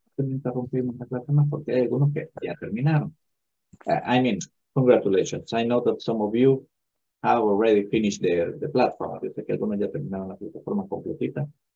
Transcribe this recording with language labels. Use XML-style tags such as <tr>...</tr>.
<es>No interrumpimos la clase más porque hay algunos que ya terminaron.</es> <en>I mean, congratulations. I know that some of you have already finished the platform.</en> <es>Dice que algunos ya terminaron la plataforma completita.</es>